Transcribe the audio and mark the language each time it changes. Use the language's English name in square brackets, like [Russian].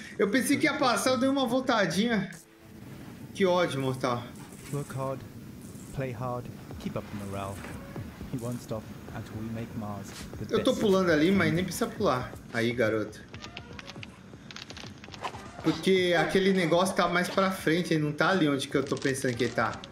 [Portuguese] Eu pensei que ia passar, eu dei uma voltadinha. Que ódio, mortal. [English] Work hard, play hard, keep up the morale. He won't stop until we make Mars. [Portuguese] Eu tô pulando ali, mas nem precisa pular. Aí, garoto. Porque aquele negócio tá mais pra frente, ele não tá ali onde que eu tô pensando que ele tá.